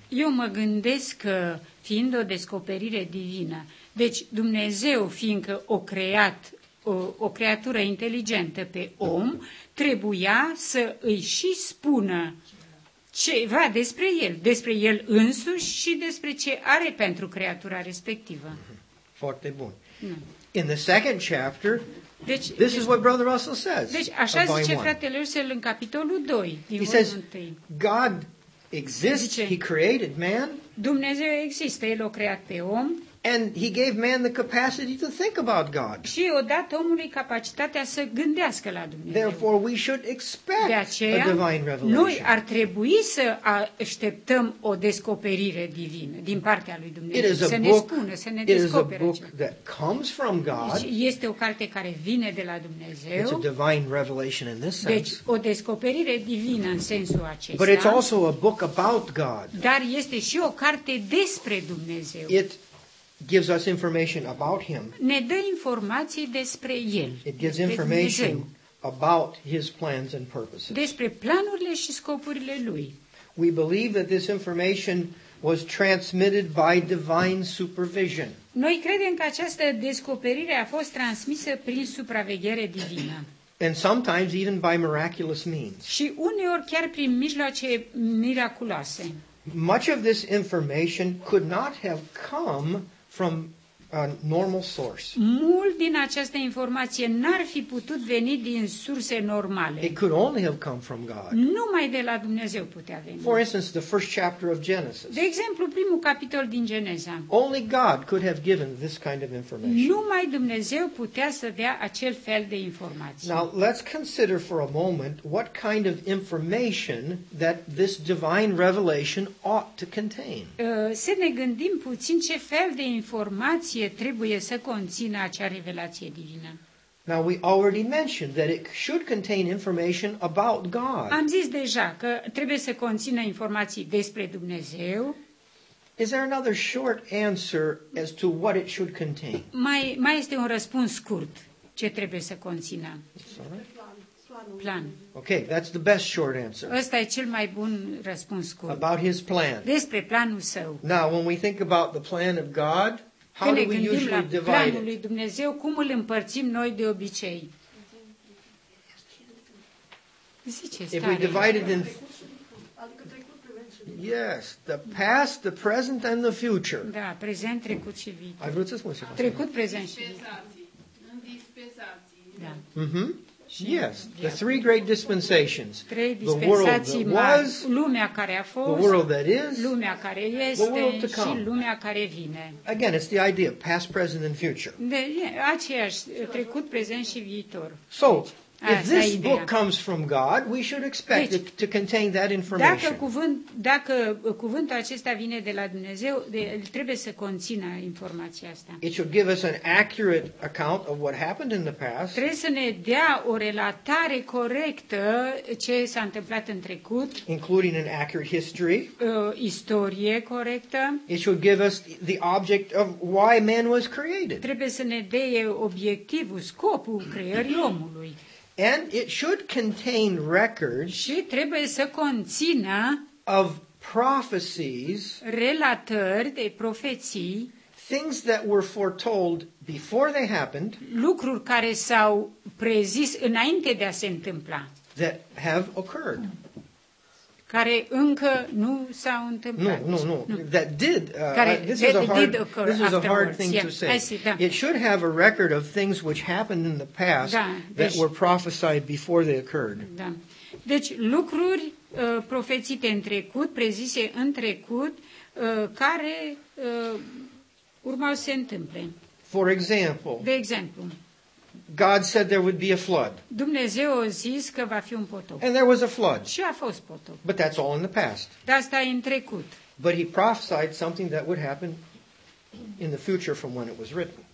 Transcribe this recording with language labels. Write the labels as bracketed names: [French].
[Romanian] Eu mă gândesc că fiind o descoperire divină, deci Dumnezeu fiindcă o creat, o creatură inteligentă pe om, trebuia să îi și spună ceva despre el, despre el însuși și despre ce are pentru creatura respectivă. Foarte bun. [English] In the second chapter, this is what Brother Russell says. [Romanian] Deci așa zice fratele Russell în capitolul 2, [English] He says, God exists, He created man. [Romanian] Dumnezeu există, El a creat pe om. [English] And he gave man the capacity to think about God. [Romanian] Și a dat omului capacitatea să gândească la Dumnezeu. [English] Therefore we should expect a divine revelation. [Romanian] Noi ar trebui să așteptăm o descoperire divină din partea lui Dumnezeu. Să ne spună, să ne descopere. [English] It is a book that comes from God. [Romanian] Este o carte care vine de la Dumnezeu. [English] It's a divine revelation in this sense. [Romanian] Deci o descoperire divină în sensul acesta. [English] But it's also a book about God. [Romanian] Dar este și o carte despre Dumnezeu. [English] It gives us information about him. [Romanian] Ne dă informații despre el. [English] It gives information about his plans and purposes. [Romanian] Despre planurile și scopurile lui. [English] We believe that this information was transmitted by divine supervision. [Romanian] Noi credem că această descoperire a fost transmisă prin supraveghere divină. [English] And sometimes even by miraculous means. [Romanian] Și uneori chiar prin mijloace miraculoase. [English] Much of this information could not have come from a normal source. [Romanian] Mult din această informație n-ar fi putut veni din surse normale. [English] It could only have come from God. [Romanian] Numai de la Dumnezeu putea veni. [English] For instance, the first chapter of Genesis. [Romanian] De exemplu, primul capitol din Geneza. [English] Only God could have given this kind of information. [Romanian] Numai Dumnezeu putea să dea acel fel de informație. [English] Now, let's consider for a moment what kind of information that this divine revelation ought to contain. [Romanian] Să ne gândim puțin ce fel de informație trebuie să conțină acea revelație divină. [English] Now we already mentioned that it should contain information about God. [Romanian] Am zis deja că trebuie să conțină informații despre Dumnezeu. [English] Is there another short answer as to what it should contain? [Romanian] Mai este un răspuns scurt ce trebuie să conțină. [English] Plan. Okay, that's the best short answer. [Romanian] Ăsta e cel mai bun răspuns scurt. [English] About his plan. [Romanian] Despre planul său. [English] Now when we think about the plan of God, how [Romanian] când [English] do we usually divide it? [Romanian] Planul lui Dumnezeu, cum îl împărțim noi de obicei? [English] If we divide it in... Yes, the past, the present and the future. [Romanian] Da, prezent, trecut și viitor. Ai vrut să spun ceva? Trecut, prezent și viitor. În dispensații. În dispensații. [English] Mm-hmm. Yes, the three great dispensations. The world that was, [Romanian] lumea care a fost, [English] the world that is, [Romanian] lumea care este, [English] the world to come. [Romanian] Și lumea care vine. [English] Again, it's the idea of past, present, and future. [Romanian] Aceeași, trecut, prezent și viitor. [English] So, if this book comes from God, we should expect it to contain that information. [Romanian] Dacă cuvântul acesta vine de la Dumnezeu, trebuie să conțină informația asta. [English] It should give us an accurate account of what happened in the past. [Romanian] Trebuie să ne dea o relatare corectă ce s-a întâmplat în trecut. [English] Including an accurate history. [Romanian] Istorie corectă. [English] It should give us the object of why man was created. [Romanian] Trebuie să ne dea obiectivul, scopul creării omului. [English] And it should contain records. [Romanian] Și trebuie să conțină [English] of prophecies, [Romanian] relatări de profeții, [English] things that were foretold before they happened, [Romanian] lucruri care s-au prezis înainte de a se întâmpla, [English] that have occurred, [Romanian] care încă nu s-au întâmplat. [English] No. That did. This is a hard thing to say. It should have a record of things which happened in the past that were prophesied before they occurred. [Romanian] Da. Deci lucruri profețite în trecut, prezise în trecut, care urmau să se întâmple. [English] For example. [Romanian] De exemplu. [English] God said there would be a flood. [Romanian] Dumnezeu a zis că va fi un potop. [English] And there was a flood. [Romanian] Și a fost potop. [English] But that's all in the past. [Romanian] Dar asta e în trecut. [English] But he prophesied something that would happen in the future from when it was written.